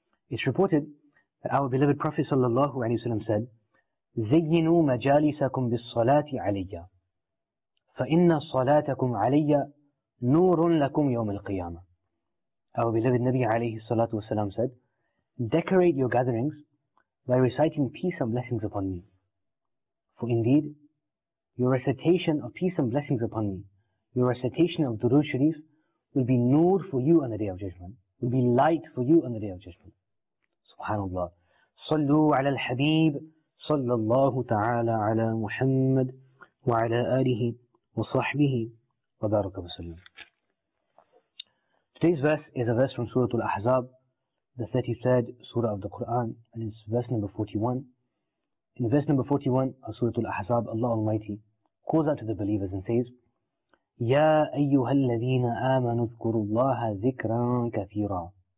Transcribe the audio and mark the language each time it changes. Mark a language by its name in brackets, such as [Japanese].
[English] It's reported that our beloved Prophet sallallahu alayhi wasallam said, [Arabic] زَيِّنُوا مَجَالِسَكُمْ بِالصَّلَاةِ عَلَيَّ فَإِنَّ صَلَاتَكُمْ عَلَيَّ نُورٌ لَكُمْ يَوْمِ الْقِيَامَةِ. [English] Our beloved Nabi alayhi salatu wasalam said, decorate your gatherings by reciting peace and blessings upon me. For indeed, your recitation of peace and blessings upon me, your recitation of Durood Sharif will be nur for you on the Day of Judgment, will be light for you on the Day of Judgment. [Arabic] Subhanallah. صلوا على الحبيب صلى الله تعالى على محمد وعلى آله وصحبه. [English] Today's verse is a verse from Surah Al-Ahzab, the 33rd Surah of the Qur'an, and it's verse number 41. In verse number 41 of Surah Al-Ahzab, Allah Almighty calls out to the believers and says, [Arabic] يَا أَيُّهَا الَّذِينَ آمَنُوا اذْكُرُوا اللَّهَ ذِكْرًا كَثِيرًا.